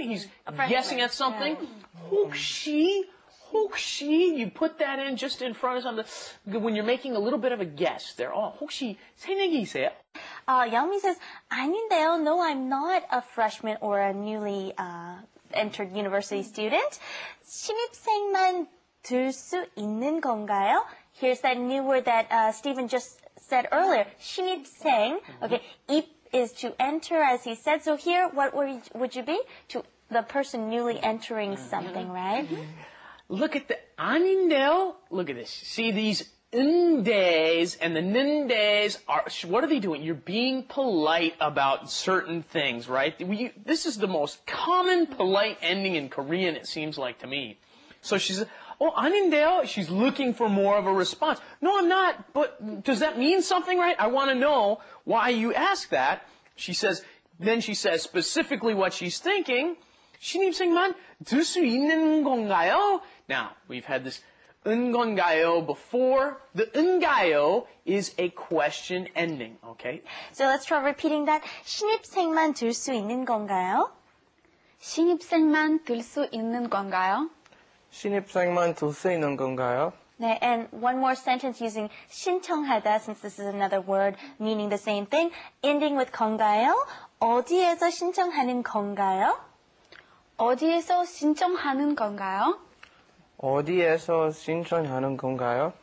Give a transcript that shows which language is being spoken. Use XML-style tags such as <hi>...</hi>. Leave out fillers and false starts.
<en>He's guessing at something. Yeah. 혹시, you put that in just in front of something. When you're making a little bit of a guess, they're all,</en> <ko>혹시 새내기세요?</ko> <en>Youngmi says,</en> <ko>아닌데요.</ko> <en>No, I'm not a freshman or a newly entered university student.</en> <ko>신입생만 들 수 있는 건가요?</ko> <en>Here's that new word that Stephen just said earlier, 신입생. Okay, 입 is to enter, as he said. So here, what would you be? To the person newly entering something, right? Look at the</en> <ko>아닌데요.</ko> <en>Look at this. See these 은데s and the 는데s are, what are they doing? You're being polite about certain things, right? This is the most common polite ending in Korean, it seems like to me. So she's, oh,</en> <ko>아닌데요?</ko> <en>She's looking for more of a response. No, I'm not, but does that mean something, right? I want to know why you ask that. She says, then she says specifically what she's thinking.</en> <ko>신입생만 들 수 있는 건가요?</ko> <en>Now, we've had this 은건가요 before. The 은가요 is a question ending, okay? So let's try repeating that.</en> <ko>신입생만 들 수 있는 건가요? 신입생만 들 수 있는 건가요? 신입생만 둘 수 있는 건가요?</ko> <en>네, and one more sentence using 신청하다, since this is another word meaning the same thing, ending with 건가요?</en> <ko>어디에서 신청하는 건가요? 어디에서 신청하는 건가요? 어디에서 신청하는 건가요?</ko>